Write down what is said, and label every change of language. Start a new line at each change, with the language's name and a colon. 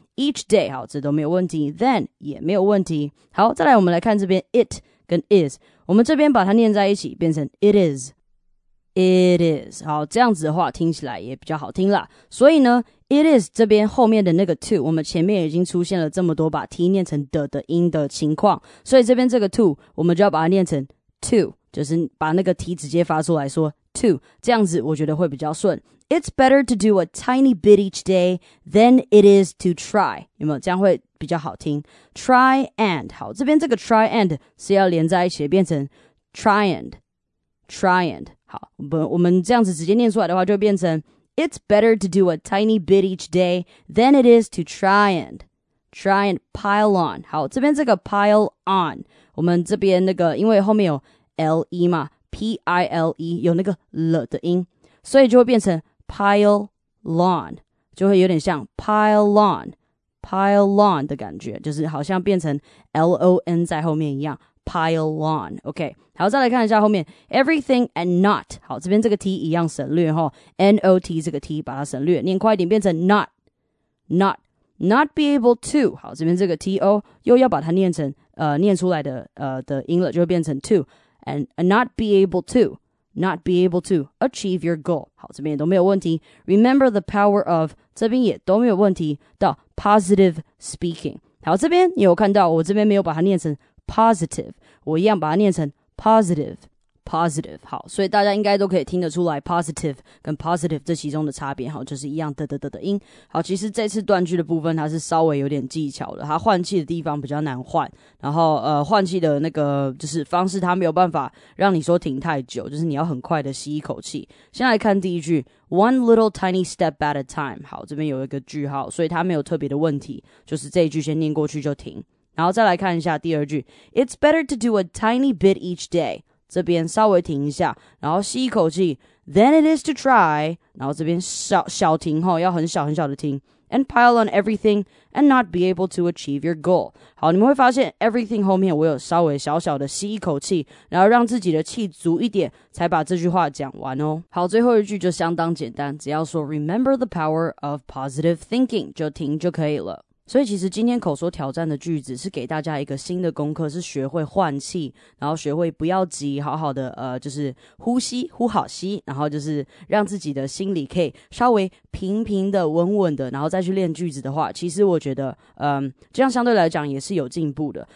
Chinese: Each day, 好，这都没有问题 ,then 也没有问题。好，再来我们来看这边 it 跟 is, 我们这边把它念在一起变成 it is, 好，这样子的话听起来也比较好听啦。所以呢 it is 这边后面的那个 to, 我们前面已经出现了这么多把 t 念成的的音的情况。所以这边这个 to, 我们就要把它念成 to, 就是把那个 t 直接发出来说 to, 这样子我觉得会比较顺。
English: It's better to do a tiny bit each day than it is to try.
Chinese: 有没有？这样会比较好听。
English: Try and, 好，这边这个 try and
Chinese: 是要连在一起变成
English: try and,
Chinese: 我们这样子直接念出来的话就会变成
English: It's better to do a tiny bit each day than it is to try and pile on.
Chinese: 好，这边这个 pile on, 我们这边那个因为后面有 L-E 嘛 P-I-L-E 有那个 L 的音，所以就会变成 pile on, 就会有点像 pile on 的感觉，就是好像变成 L-O-N 在后面一样Pile on, OK. 好，再来看一下后面 everything and not. 好，这边这个 t 一样省略哈 ，not 这个 t 把它省略，念快一点变成 not be able to. 好，这边这个 to 又要把它念成念出来的的音了，就会变成
English: to and not be able to achieve your goal.
Chinese: 好，这边也都没有问题。
English: Remember the power of
Chinese: 这边也都没有问题的 positive speaking. 好，这边你有看到我这边没有把它念成。Positive, 我一样把它念成 positive, positive 好，所以大家应该都可以听得出来 positive 跟 positive 这其中的差别，好，就是一样的的的的音。好，其实这次断句的部分它是稍微有点技巧的，它换气的地方比较难换，然后换气的那个就是方式它没有办法让你说停太久，就是你要很快的吸一口气。先来看第一句，
English: one little tiny step at a time，
Chinese: 好，这边有一个句号，所以它没有特别的问题，就是这一句先念过去就停。然后再来看一下第二句，
English: it's better to do a tiny bit each day，
Chinese: 这边稍微停一下，然后吸一口气。
English: Then it is to try，
Chinese: 然后这边小小停吼，要很小很小的停。
English: And pile on everything and not be able to achieve your goal。
Chinese: 好，你们会发现 everything 后面我有稍微小小的吸一口气，然后让自己的气足一点，才把这句话讲完哦。好，最后一句就相当简单，只要说
English: remember the power of positive thinking
Chinese: 就停就可以了。所以其实今天口说挑战的句子是给大家一个新的功课，是学会换气，然后学会不要急，好好的就是呼吸，呼好吸，然后就是让自己的心里可以稍微平平的稳稳的，然后再去练句子的话，其实我觉得这样相对来讲也是有进步的。